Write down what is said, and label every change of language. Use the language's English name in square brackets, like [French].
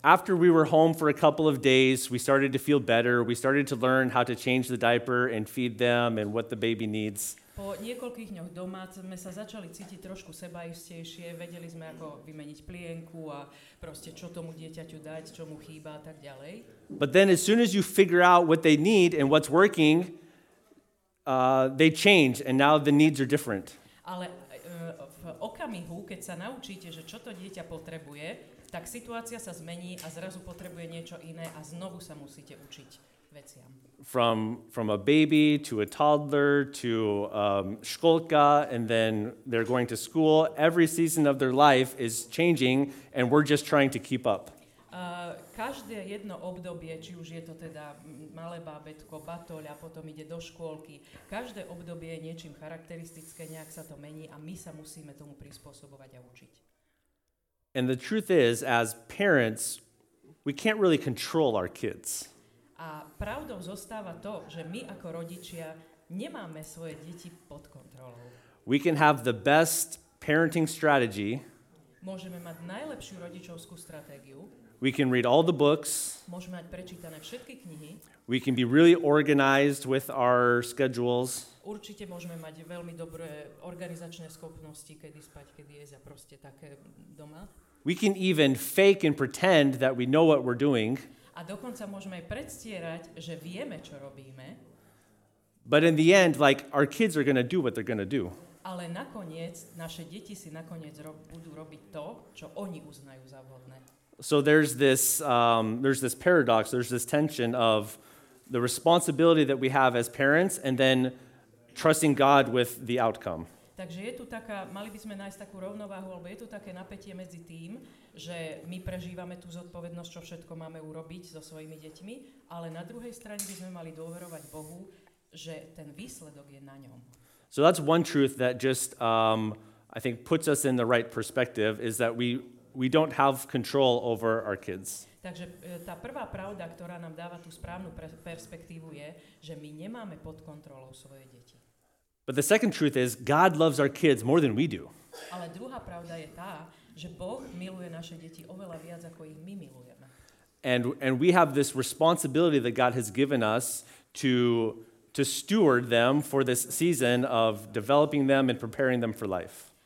[English] After we were home for a couple of days, we started to feel better, we started to learn how to change the diaper and feed them and what the baby needs. [Slovak] Po niekoľkých dňoch doma sme sa začali cítiť trošku sebaistejšie, vedeli sme, ako vymeniť plienku a proste čo tomu dieťaťu dať, čo mu chýba a tak ďalej. [English] But then as soon as you figure out what they need and what's working, they change and now the needs are different. [Slovak] Ale v okamihu, keď sa naučíte, že čo to dieťa potrebuje, tak situácia sa zmení a zrazu potrebuje niečo iné a znovu sa musíte učiť veciam. [English] From a baby to a toddler to školka and then they're going to school. Every season of their life is changing and we're just trying to keep up. [Slovak] Každé jedno obdobie, či už je to teda malé bábätko, batoľ a potom ide do škôlky, každé obdobie je niečím charakteristické, nejak sa to mení a my sa musíme tomu prispôsobovať a učiť. [English] And the truth is, as parents, we can't really control our kids. [Slovak] A pravdou zostáva to, že my ako rodičia nemáme svoje deti pod kontrolou. [English] We can have the best parenting strategy. [Slovak] Môžeme mať najlepšiu rodičovskú stratégiu. [English] We can read all the books. [Slovak] Môžeme mať prečítané všetky knihy. [English] We can be really organized with our schedules. [Slovak] Určite môžeme mať veľmi dobré organizačné schopnosti, kedy spať, kedy jesť a proste také doma. [English] We can even fake and pretend that we know what we're doing. [Slovak] A dokonca môžeme aj predstierať, že vieme, čo robíme. [English] But in the end, like, our kids are going to do what they're going to do. [Slovak] Ale nakoniec, naše deti si nakoniec budú robiť to, čo oni uznajú za vhodné. [English] So there's this paradox, there's this tension of the responsibility that we have as parents and then trusting God with the outcome. [Slovak] Takže je tu taká, mali by sme nájsť takú rovnováhu, alebo je tu také napätie medzi tým, že my prežívame tú zodpovednosť, čo všetko máme urobiť so svojimi deťmi, ale na druhej strane by sme mali dôverovať Bohu, že ten výsledok je na ňom. [English] So that's one truth that just I think puts us in the right perspective is that we don't have control over our kids. [Slovak] Takže tá prvá pravda, ktorá nám dáva tú správnu perspektívu je, že my nemáme pod kontrolou svoje deti. [English] But the second truth is God loves our kids more than we do. [Slovak] Ale druhá pravda je tá, že Boh miluje naše deti oveľa viac ako ich my milujeme. [English] And we have this responsibility that God has given us to steward them for this season of developing them and preparing them for life.